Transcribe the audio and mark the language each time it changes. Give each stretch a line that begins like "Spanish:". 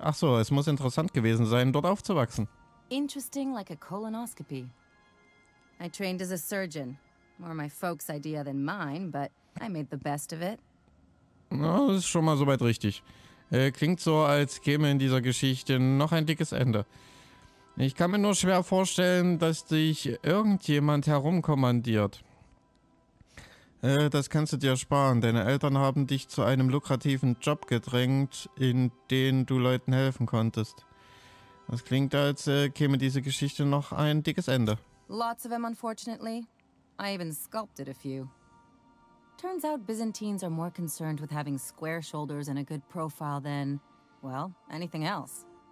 German: Ach so, es muss interessant gewesen sein, dort aufzuwachsen.
English: Interesting like a colonoscopy. I trained as a surgeon. More my folks' idea than mine, but I made the best of it.
German: Na, das ist schon mal soweit richtig. Klingt so, als käme in dieser Geschichte noch ein dickes Ende. Ich kann mir nur schwer vorstellen, dass dich irgendjemand herumkommandiert. Das kannst du dir sparen. Deine Eltern haben dich zu einem lukrativen Job gedrängt, in den du Leuten helfen konntest. Das klingt, als käme diese Geschichte noch ein dickes Ende.
English: Lots of them, unfortunately. I even sculpted a few. Turns out Byzantines are more concerned with having square shoulders and a good profile than, well, anything else.